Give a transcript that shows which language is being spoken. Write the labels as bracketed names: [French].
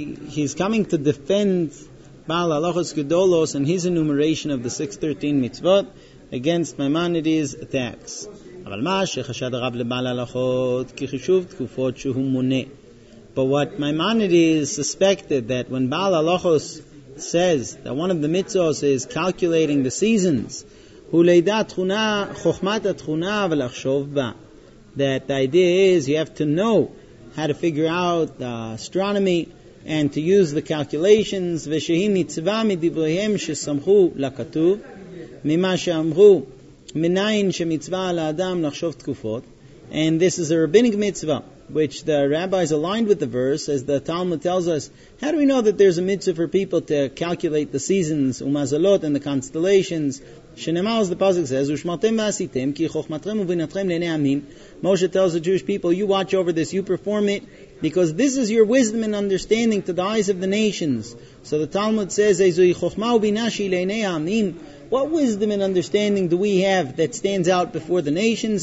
[English] He's coming to defend Baal Halachos Gedolos and his enumeration of the 613 mitzvot against Maimonides' attacks. [Hebrew] אבל מה שחשד הרב לבעל הלכות כחישוב תקופות שהוא מונה. [English] But what Maimonides suspected that when Baal Halachos says that one of the mitzvos is calculating the seasons, [Hebrew] הוא לידע תכונה, חוכמת התכונה ולחשוב בה. [English] That the idea is you have to know how to figure out astronomy and to use the calculations, [Hebrew] ושהיא מצווה מדבריהם שסמכו לכתוב, ממה שאמרו, מנין שמצווה על האדם לחשוב תקופות. [English] And this is a rabbinic mitzvah, which the rabbis aligned with the verse, as the Talmud tells us, how do we know that there's a mitzvah for people to calculate the seasons, [Hebrew] ומזלות, [English] and the constellations? [Hebrew] שנאמר, [English] as the pasuk says, [Hebrew] ושמרתם ועשיתם, כי חוכמתכם ובינתכם לעיני עמים. [English] Moshe tells the Jewish people, you watch over this, you perform it, because this is your wisdom and understanding to the eyes of the nations. So the Talmud says, [Hebrew] איזוהי חוכמה ובינה שהיא לעיני העמים. [English] What wisdom and understanding do we have that stands out before the nations?